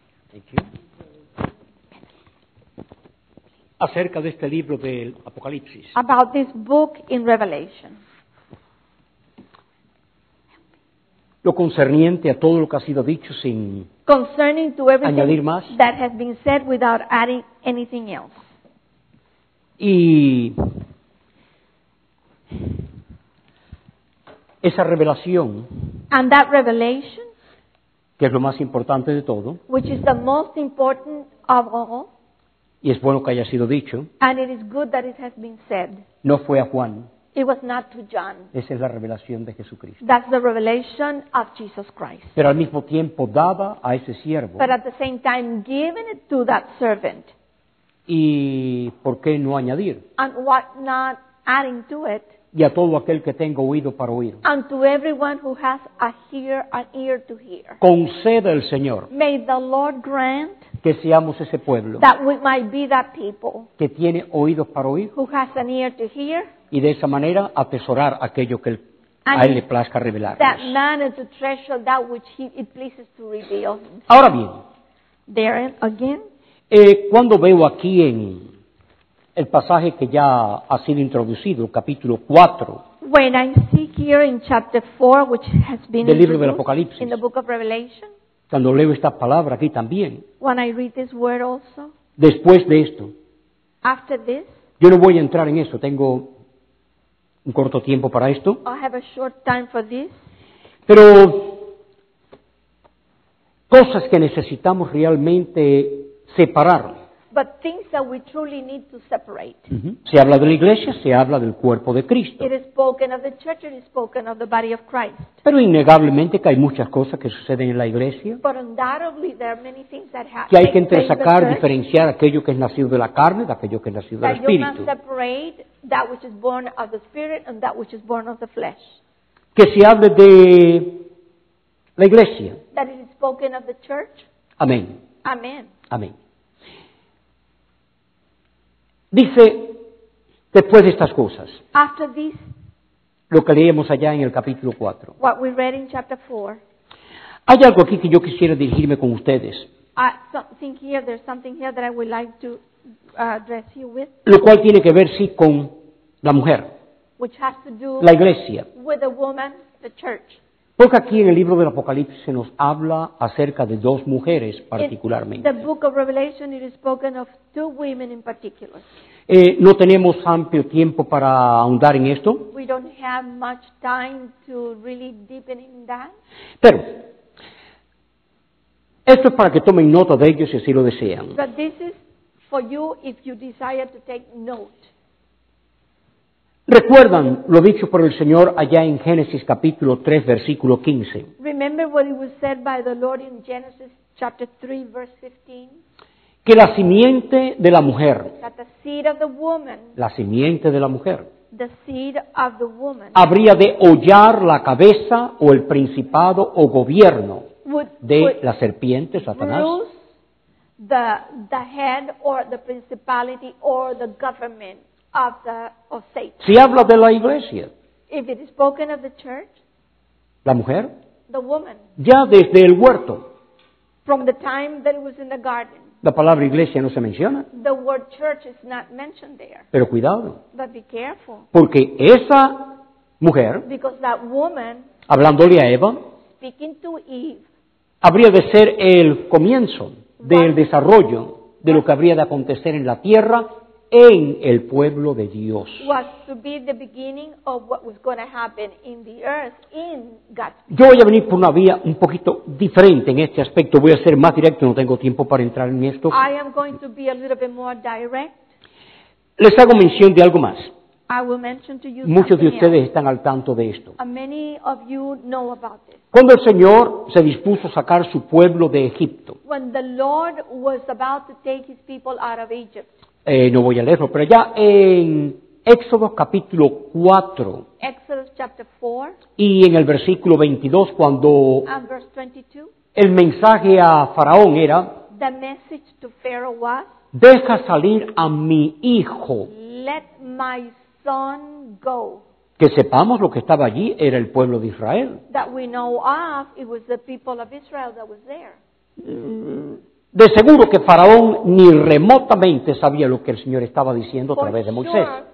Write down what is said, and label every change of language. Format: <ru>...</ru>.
<en>Thank you.</en> <es>Acerca de este libro del Apocalipsis.</es> <en>About this book in Revelation.</en> <es>Lo concerniente a todo lo que ha sido dicho sin</es> <en>concerning to everything</en> <es>añadir más.</es> <en>That has been said without adding anything else.</en> <es>Y esa revelación,</es> <en>and that revelation,</en> <es>que es lo más importante de todo,</es> <en>which is the most important of all,</en> <es>y es bueno que haya sido dicho,</es> <en>and it is good that it has been said,</en> <es>no fue a Juan,</es> <en>it was not to John,</en> <es>esa es la revelación de Jesucristo,</es> <en>that's the revelation of Jesus Christ,</en> <es>pero al mismo tiempo dada a ese siervo,</es> <en>but at the same time given it to that servant,</en> <es>y por qué no añadir,</es> <en>and what not adding to it.</en> <es>Y a todo aquel que tenga oído para oír.</es> <en>And to everyone who has a hear, an ear to hear.</en> <es>Conceda el Señor.</es> <en>May the Lord grant.</en> <es>Que seamos ese pueblo.</es> <en>That we might be that people.</en> <es>Que tiene oídos para oír.</es> <en>Who has an ear to hear.</en> <es>Y de esa manera atesorar aquello que a él le plazca revelar.</es> <en>That manner to treasure that which he, it pleases to reveal.</en> <es>Ahora bien.</es> <en>There again.</en> <es>Cuando veo aquí en el pasaje que ya ha sido introducido, capítulo 4.</es> <en>When I see here in chapter 4, which has been</en> <es>del libro del Apocalipsis,</es> <en>in the book of Revelation,</en> <es>cuando leo esta palabra aquí también,</es> <en>when I read this word also,</en> <es>después de esto,</es> <en>after this,</en> <es>yo no voy a entrar en eso, tengo un corto tiempo para esto,</es> <en>I have a short time for this,</en> <es>pero cosas que necesitamos realmente separar.</es> <en>But things that we truly need to separate. Mm-hmm.</en> <es>Se habla de la iglesia, se habla del cuerpo de Cristo.</es> <en>It is spoken of the church, it is spoken of the body of Christ.</en> <es>Pero innegablemente que hay muchas cosas que suceden en la iglesia.</es> <en>But undoubtedly there are many things that happen.</en> <es>Que hay que entresacar, diferenciar aquello que es nacido de la carne, de aquello que es nacido del espíritu.</es> <en>That you must separate that which is born of the spirit and that which is born of the flesh.</en> <es>Que se hable de la iglesia.</es> <en>That it is spoken of the church.</en> <es>Amén. Amén. Amén. Dice, después de estas cosas,</es> <en>after this,</en> <es>lo que leíamos allá en el capítulo 4,</es> <en>what we read in chapter 4,</en> <es>hay algo aquí que yo quisiera dirigirme con ustedes, lo cual tiene que ver, sí, con la mujer,</es> <en>which has to do</en> <es>la iglesia,</es> <en>with the woman, the church.</en> <es>Porque aquí en el libro del Apocalipsis se nos habla acerca de dos mujeres particularmente.</es> <en>In the book of Revelation it is spoken of two women in particular.</en> <es>No tenemos amplio tiempo para ahondar en esto.</es> <en>We don't have much time to really deepen in that.</en> <es>Pero esto es para que tomen nota de ellos si así lo desean.</es> <en>But this is for you if you desire to take note.</en> <es>¿Recuerdan lo dicho por el Señor allá en Génesis capítulo 3, versículo 15?</es> <en>Remember what it was said by the Lord in Genesis chapter 3, verse 15?</en> <es>Que la simiente de la mujer,</es> <en>that the seed of the woman,</en> <es>la simiente de la mujer,</es> <en>the seed of the woman,</en> <es>habría de hollar la cabeza o el principado o gobierno de la serpiente, Satanás,</es> <en>the head or the principality or the government. Of Satan.</en> <es>Si habla de la iglesia,</es> <en>if it is spoken of the church,</en> <es>la mujer,</es> <en>the woman,</en> <es>ya desde el huerto,</es> <en>from the time that it was in the garden.</en> <es>La palabra iglesia no se menciona.</es> <en>The word church is not mentioned there.</en> <es>Pero cuidado.</es> <en>But be careful.</en> <es>Porque esa mujer,</es> <en>because that woman,</en> <es>hablándole a Eva,</es> <en>speaking to Eve,</en> <es>habría de ser el comienzo del desarrollo de lo que habría de acontecer en la tierra en el pueblo de Dios.</es> <en>Was to be the beginning of what was going to happen in the earth in God's.</en> <es>Yo voy a venir por una vía un poquito diferente en este aspecto. Voy a ser más directo, no tengo tiempo para entrar en esto.</es> <en>I am going to be a little bit more direct.</en> <es>Les hago mención de algo más.</es> <en>I will mention to you.</en> <es>Muchos de ustedes están al tanto de esto.</es> <en>Many of you know about this.</en> <es>Cuando el Señor se dispuso a sacar su pueblo de Egipto.</es> <en>When the Lord was about to take his people out of Egypt.</en> <es>No voy a leerlo, pero ya en Éxodo capítulo 4,</es> <en>Exodus chapter 4</en> <es>y en el versículo 22, cuando</es> <en>and verse 22,</en> <es>el mensaje a Faraón era,</es> <en>the message to Pharaoh was,</en> <es>deja salir a mi hijo.</es> <en>Let my son go.</en> <es>Que sepamos, lo que estaba allí era el pueblo de Israel.</es> <en>That we know of, it was the people of Israel that was there.</en> <es>De seguro que Faraón ni remotamente sabía lo que el Señor estaba diciendo a través de Moisés.</es>